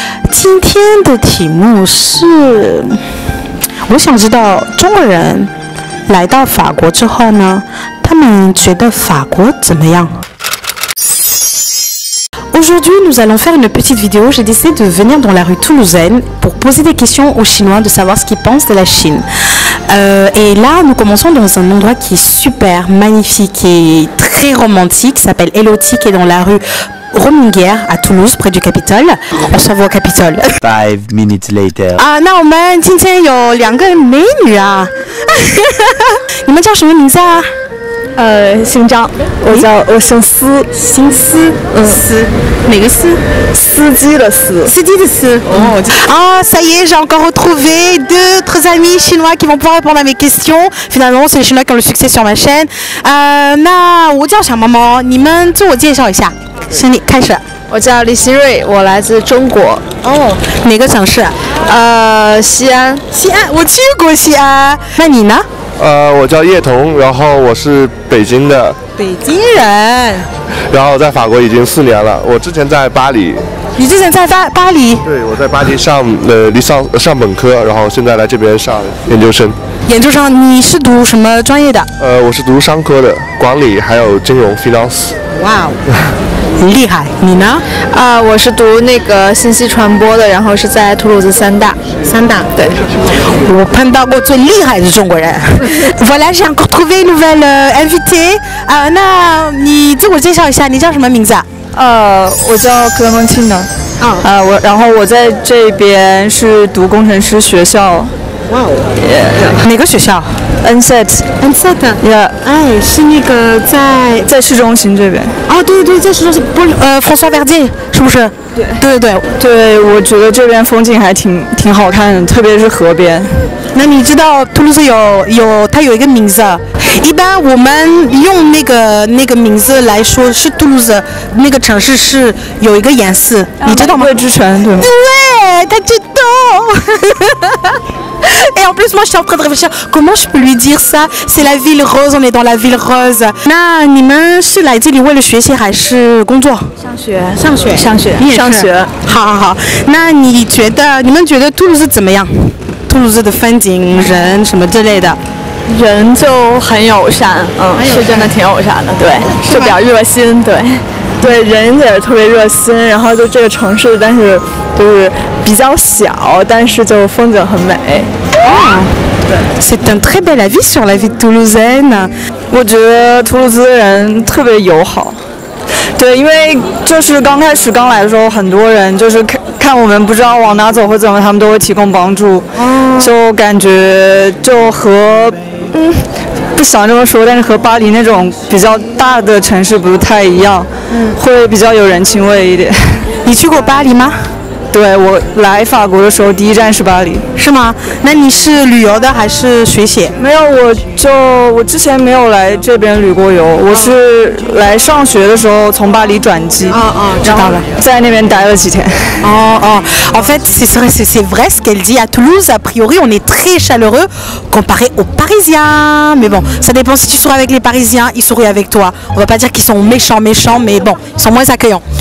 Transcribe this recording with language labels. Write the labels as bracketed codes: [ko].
[zh] 今天的题目是，我想知道中国人来到法国之后呢，他们觉得法国怎么样？ [fr] Aujourd'hui, nous allons faire une petite vidéo. J'ai décidé de venir dans la rue toulousaine pour poser des questions aux Chinois, de savoir ce qu'ils pensent de la Chine. Et là, nous commençons dans un endroit qui est super magnifique et très romantique. Ça s'appelle Elotti, qui est dans la rue Rominguière à Toulouse, près du Capitole. On se voit au Capitole. [en] 5 minutes later. [fr] Ah, non, mais aujourd'hui, il y a [zh] 2个美女. [fr] Vous m'avez appelé comment? [zh] 姓张，我姓司，姓司，司，哪个司？司机的司，司机的司。 [fr] 哦，ça y est, j'ai encore retrouvé deux autres amis chinois qui vont pouvoir répondre à mes questions. Finalement, c'est les Chinois qui ont le succès sur ma chaîne. [zh] 那我叫小毛毛，你们自我介绍一下。行，你开始。我叫李希瑞，我来自中国。哦，哪个城市？西安。西安，我去过西安。那你呢？我叫叶童，然后我是北京的北京人，然后在法国已经4年了。我之前在巴黎。你之前在巴黎？对，我在巴黎上上本科，然后现在来这边上研究生。研究生，你是读什么专业的？我是读商科的，管理还有金融 finance。哇哦，很厉害。你呢？我是读那个信息传播的，然后是在图卢兹三大。三大，对。我碰到过最厉害的中国人。 [fr] Voilà, j'ai encore trouvé une nouvelle invitée. [zh] 那你自我介绍一下，你叫什么名字？我叫克隆庆的。然后我在这边是读工程师学校。哇哦。哪个学校？ NSET NSET [en] Yeah [zh] 哎，是那个在市中心这边。哦，对对，在市中心，François Verdier 是不是？对对对对，我觉得这边风景还挺好看的，特别是河边。那你知道图卢兹有它有一个名字，一般我们用那个名字来说是图卢兹，那个城市是有一个颜色，你知道吗？玫瑰之城，对吗？对，他知道。 [fr] Et en plus, moi, je suis en train de réfléchir. Comment je peux lui dire ça? C'est la ville rose. On est dans la ville rose. [zh] 那你们是来这里为了学习还是工作？上学。你也是。上学。好。那你们觉得图卢兹怎么样？图卢兹的风景、人什么之类的。人就很友善，是真的挺友善的，对，就比较热心，对。对，人也特别热心，然后就这个城市，但是就是比较小，但是就风景很美。 [fr] C'est un très bel avis sur la vie toulousaine. [zh] 我觉得图卢兹人特别友好。对，因为就是刚开始刚来的时候，很多人就是看我们不知道往哪走或怎么，他们都会提供帮助。就感觉就和不想这么说，但是和巴黎那种比较大的城市不太一样，会比较有人情味一点。你去过巴黎吗？对，我来法国的时候第一站是巴黎。是吗？那你是旅游的还是学习？没有，我之前没有来这边旅过游，我是来上学的时候从巴黎转机。知道了，在那边待了几天。 [fr] En fait, c'est vrai ce qu'elle dit. À Toulouse, a priori, on est très chaleureux comparé aux Parisiens. Mais bon, ça dépend si tu souris avec les Parisiens, ils sourient avec toi. On va pas dire qu'ils sont méchants, mais bon, ils sont moins accueillants.